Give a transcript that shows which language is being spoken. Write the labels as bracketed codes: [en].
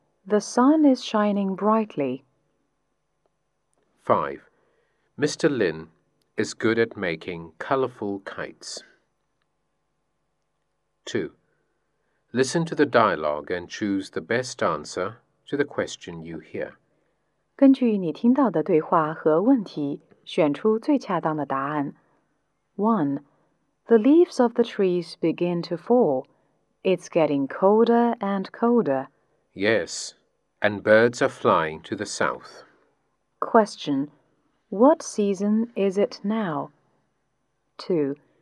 [en] The sun is shining brightly. 5. Mr. Lin is good at making colorful kites. 2. Listen to the dialogue and choose the best answer to the question you hear. [zh] 根据你听到的对话和问题，选出最恰当的答案。 1. [en] The leaves of the trees begin to fall. It's getting colder and colder. Yes, and birds are flying to the south. Question. What season is it now? 2.